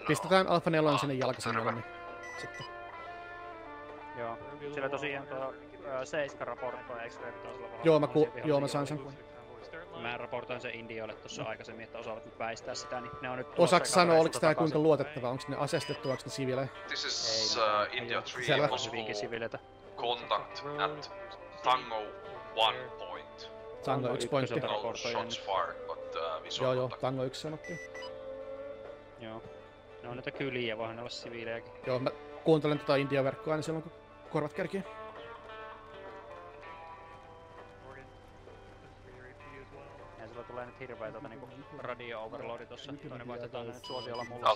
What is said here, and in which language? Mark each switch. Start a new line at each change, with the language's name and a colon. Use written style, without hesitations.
Finnish: Pistetään Alfa 4 sinne jalkasemmalle, niin sitten. Joo, sillä tosiaan tuo 7 raportoi X-Ray. Joo, mä, joo, mä sain sen. Mä raportoin sen Indioille tuossa aikaisemmin, että osaavat nyt väistää sitä, niin ne on nyt... Osaatko sanoa, oliko tää kuinka luotettava? Onko ne asestettu, onko ne siviilejä?
English: This is India 3 possible contact at Tango 1 point.
Finnish: Tango 1 pointti.
English: No shots fired.
Finnish: Joo, joo, Tango 1 sanottiin. Joo. Ne on näitä kyliä, voihan olla siviilejäkin. Joo, mä kuuntelen tota Indian verkkoa aina silloin, kun korvat kerkii. Ja sillä tulee nyt hirveä tota niinku radio-overloadi tossa. Toinen vaihtetaan nyt suosiolla mulle